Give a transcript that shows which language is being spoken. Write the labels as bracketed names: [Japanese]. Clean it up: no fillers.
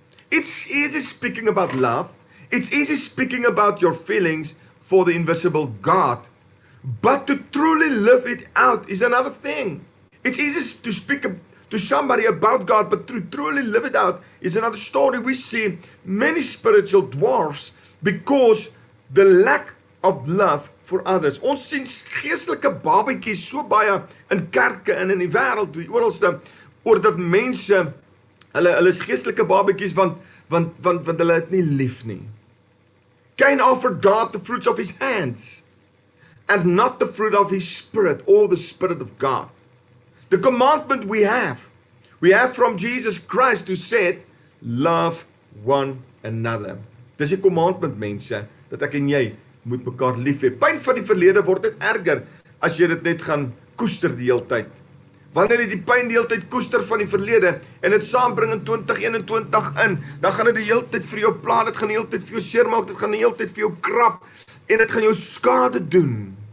[English] It's easy speaking about love. It's easy speaking about your feelings for the invisible God. But to truly live it out is another thing. It's easy to speak to somebody about God, but to truly live it out is another story. We see many spiritual dwarfs because the lack of love for others. [Afrikaans] Ons sien geestelike babetjies so baie in kerke en in die wêreld, oralste, oordat mense hulle is geestelike babetjies want hulle het nie lief nie. [English] Cain offered God the fruits of his hands and not the fruit of his spirit or the spirit of God. The commandment we have from Jesus Christ who said, love one another. [Afrikaans] Dis die commandment, mense, dat ek en jy moet mekaar lief hê. Pyn van die verlede word net erger as jy dit net gaan koester die hele tyd. Wanneer jy die pyn die hele tyd koester van die verlede en dit saambring in 2021 in, dan gaan dit die hele tyd vir jou pla, dit gaan die hele tyd vir jou seer maak, dit gaan die hele tyd vir jou krap en dit gaan jou skade doen.